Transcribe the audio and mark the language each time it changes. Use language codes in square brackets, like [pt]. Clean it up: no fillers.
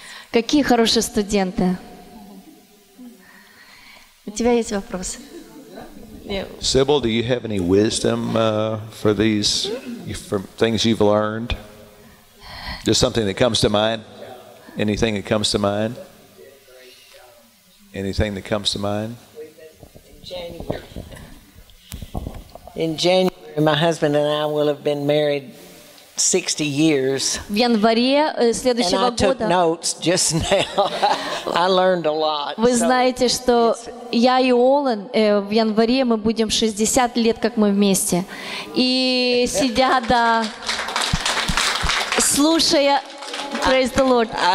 [ru] Какие хорошие студенты. У тебя есть вопросы? [en] Sybil, do you have any wisdom for these for things you've learned? Just something that comes to mind? Anything that comes to mind? Anything that comes to mind? In January, my husband and I will have been married 60 years. [ru] В январе следующего года. [en] And I took notes just now. I learned a lot. [ru] Вы знаете, что я и Олен в январе мы будем 60 лет, как мы вместе. И сидя, да, слушая, [en] praise the Lord.